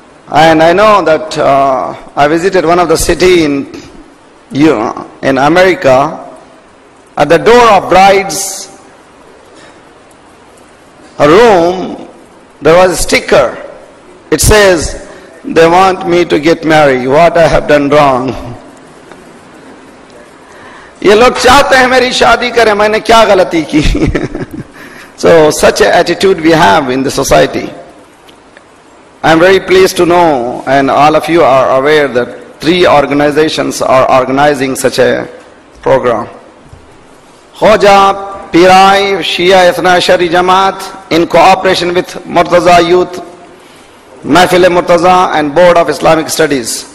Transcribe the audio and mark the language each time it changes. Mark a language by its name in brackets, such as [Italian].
[English] And I know that I visited one of the cities in America. At the door of bride's room, there was a sticker. It says, "They want me to get married. What I have done wrong?" [Hindi] ये लोग चाहते हैं मेरी शादी करें, मैंने क्या गलती की. [English] So such an attitude we have in the society. I am very pleased to know, and all of you are aware, that 3 organizations are organizing such a program. Khoja, Pirai, Shia Ithnashari Jamaat, in cooperation with Murtaza Youth, Mehfil Murtaza, and Board of Islamic Studies.